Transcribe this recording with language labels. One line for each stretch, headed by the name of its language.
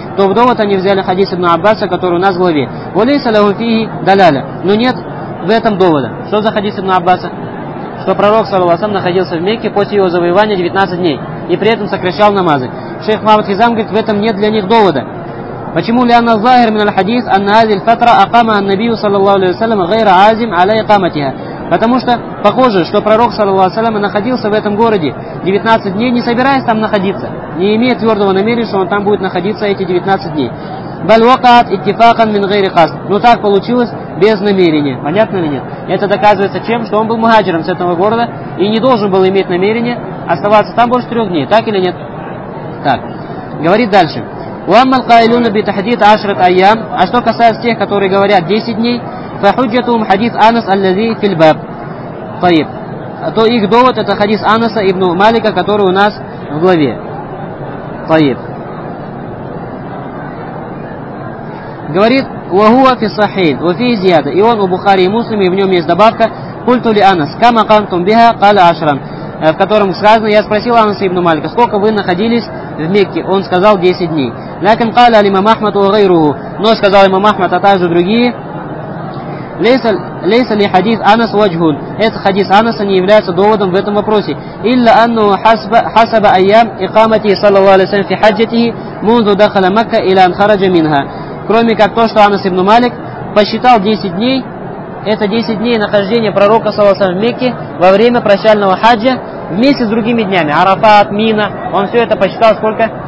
Russian: То в довод они взяли хадис ибн Аббаса, который у нас в главе.
Arabic: وَلَيْسَ لَهُ فِيهِ دَلَالَةٌ.
Russian: Но нет в этом довода. Что за хадис ибн Аббаса? Что пророк саллаллаху алейхи ва саллям находился в Мекке после его завоевания 19 дней и при этом сокращал намазы. Шейх Мухаммад Хизам говорит, в этом нет для них довода. Почему?
Arabic: لأن الظاهر من الحديث أن هذه الفترة أقامها النبي صلى الله عليه وسلم غير عازم على إقامتها.
Russian: Потому что похоже, что пророк саллаллаху алейхи ва саллям находился в этом городе 19 дней, не собираясь там находиться, не имея твердого намерения, что он там будет находиться эти 19 дней.
Arabic: بل وقعت اتفاقا من غير قصد.
Russian: Но так получилось без намерения. Понятно или нет? Это доказывается чем? Что он был мухаджиром с этого города и не должен был иметь намерения оставаться там больше 3 дней. Так или нет? Так. Говорит дальше.
Arabic: وَأَمَّا الْقَائِلُونَ بِتَحْدِيدِ عَشْرَةِ أَيَّامٍ.
Russian: А что касается тех, которые говорят 10 дней,
Arabic: فَحُجَّتُهُمْ حَدِيثُ أَنَسَ الَّذِي فِي الْبَابِ. طيب.
Russian: То их довод это хадис Анаса ибн Малика, который у нас в главе.
Arabic: طيب.
Russian: Говорит,
Arabic: وَهُوَ فِي الصَّحِيحَيْنِ وَفِيهِ زِيَادَةٌ.
Russian: И он у Бухари и Муслима, и в нем есть добавка.
Arabic: قُلْتُ لِأَنَسَ كَمَا قَامْتُمْ بِهَا قَالَ عَشْرًا.
Russian: В котором сказано, я спросил Анаса ибн Малика, сколько вы находились в Мекке? Он сказал 10 дней.
Arabic: لكن قال الإمام أحمد وغيره
Russian: но сказал имам Ахмад, а также другие
Arabic: ليس ли حديث أنس وجه
Russian: этот хадис Анаса не является доводом в этом вопросе
Arabic: إلا أنه حسب أيام إقامته صلى الله عليه وسلم في حجته منذ دخل مكة إلى أن خرج منها
Russian: кроме как то, что Анас ибн Малик посчитал 10 дней это 10 дней нахождения пророка
Arabic: صلى الله عليه وسلم
Russian: в Мекке во время прощального хаджа вместе с другими днями Арафат, Мина он все это посчитал сколько?